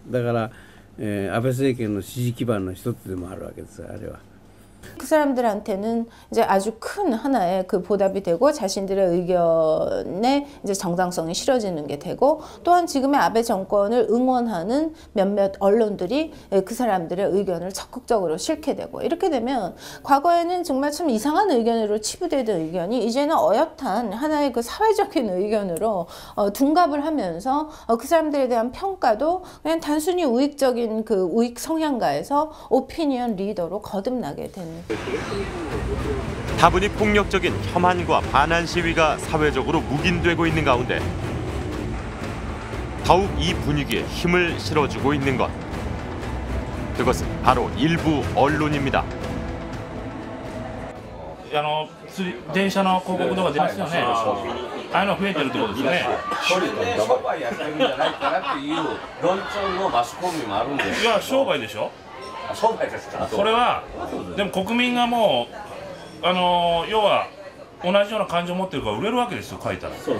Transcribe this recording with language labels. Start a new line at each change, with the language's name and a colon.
Japanese: だから、安倍政権の支持基盤の一つでもあるわけです。あれは。
Korean: 그 사람들한테는 이제 아주 큰 하나의 그 보답이 되고 자신들의 의견에 이제 정당성이 실어지는 게 되고, 또한 지금의 아베 정권을 응원하는 몇몇 언론들이 그 사람들의 의견을 적극적으로 싣게 되고, 이렇게 되면 과거에는 정말 참 이상한 의견으로 치부되던 의견이 이제는 어엿한 하나의 그 사회적인 의견으로 둔갑을 하면서 그 사람들에 대한 평가도 그냥 단순히 우익적인 그 우익 성향가에서 오피니언 리더로 거듭나게 되는 다분히 폭력적인 혐한과 반한 시위가 사회적으로 묵인되고 있는 가운데 더욱 이 분위기에 힘을 실어주고 있는 것, 그것은 바로 일부 언론입니다。
Japanese: 電車の広告とか出ますよね。ああいうの増えてるってことですね。それで商売やってるんじゃないかなっていう論調のマスコミもあるんですよ。いや、商売でしょ。商売ですか。それはでも国民がもう要は同じような感情を持ってるから売れるわけですよ、書いたら。